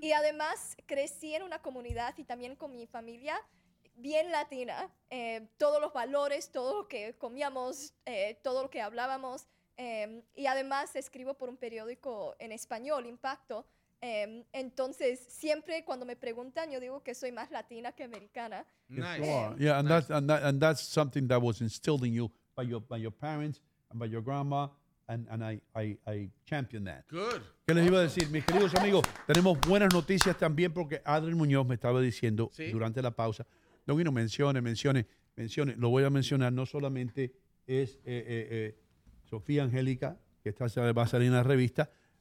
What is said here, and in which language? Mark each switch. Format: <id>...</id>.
<es>Y además crecí en una comunidad y también con mi familia bien latina. Todos los valores, todo lo que comíamos, todo lo que hablábamos. Y además escribo por un periódico en español, Impacto. Entonces siempre cuando me preguntan yo digo que soy más latina que americana.</es> <en>Nice. Yeah, and nice. that's something that was instilled in you by your parents and by your grandma and I champion that. Good.</en> <es>¿Qué les iba a decir, mis queridos amigos? Tenemos buenas noticias también porque Adrián Muñoz me estaba diciendo ¿sí? durante la pausa. No vino, mencione. Lo voy a mencionar. No solamente es Sofía Angélica que va a salir en la revista.</es>